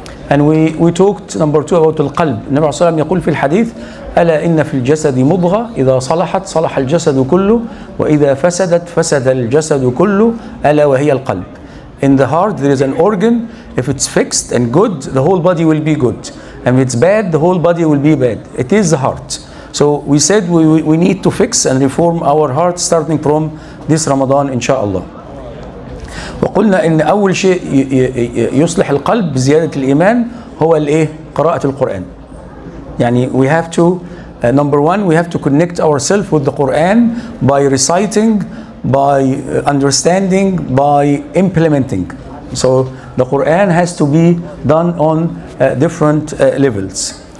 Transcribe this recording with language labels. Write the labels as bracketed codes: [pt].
[en] And we talked number two about the قلب. [ar] النبي صلى الله عليه وسلم يقول في الحديث: ألا إن في الجسد مضغة إذا صلحت صلح الجسد كله، وإذا فسدت فسد الجسد كله، ألا وهي القلب. [en] In the heart there is an organ. If it's fixed and good, the whole body will be good. And if it's bad, the whole body will be bad. It is the heart. So we said we need to fix and reform our heart starting from this Ramadan, inshallah. [ar] وقلنا ان اول شيء يصلح القلب بزياده الايمان هو الايه؟ قراءه القران. يعني [en] we have to number one, we have to connect ourselves with the Quran by reciting, by understanding, by implementing. So the Quran has to be done on different levels.